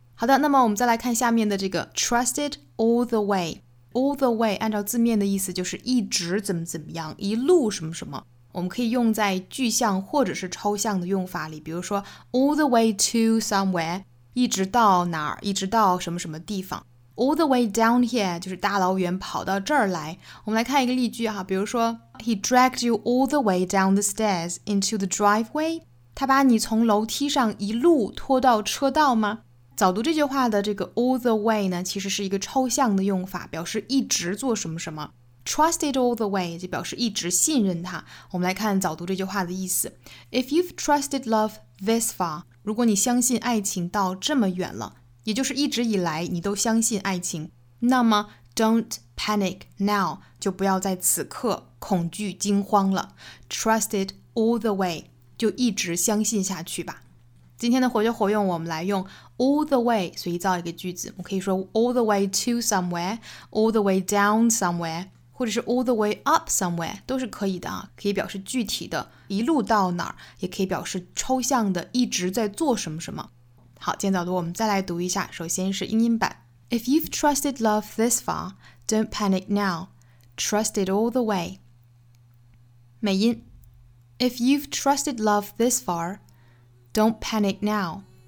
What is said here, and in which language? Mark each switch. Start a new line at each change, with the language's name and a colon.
Chinese: 好的，那么我们再来看下面的这个
English: trusted all the way。
Chinese: all the way 按照字面的意思就是一直怎么怎么样，一路什么什么，我们可以用在具象或者是抽象的用法里，比如说
English: all the way to somewhere，
Chinese: 一直到哪儿，一直到什么什么地方。
English: all the way down here
Chinese: 就是大老远跑到这儿来。我们来看一个例句哈，比如说
English: He dragged you all the way down the stairs into the driveway，
Chinese: 他把你从楼梯上一路拖到车道吗？早读这句话的这个
English: all the way
Chinese: 呢，其实是一个抽象的用法，表示一直做什么什么。
English: Trusted all the way
Chinese: 就表示一直信任他。我们来看早读这句话的意思。
English: If you've trusted love this far，
Chinese: 如果你相信爱情到这么远了，也就是一直以来你都相信爱情，那么
English: don't panic now，
Chinese: 就不要在此刻恐惧惊慌了。
English: Trusted all the way，
Chinese: 就一直相信下去吧。今天的活学活用我们来用 all the way 随意造一个句子，我可以说
English: all the way to somewhere， all the way down somewhere，
Chinese: 或者是
English: all the way up somewhere，
Chinese: 都是可以的啊，可以表示具体的一路到哪儿，也可以表示抽象的一直在做什么什么。好，今天早读我们再来读一下，首先是英音版。
English: If you've trusted love this far, don't panic now. Trust it all the way.
Chinese: 美音。
English: If you've trusted love this far, don't panic now.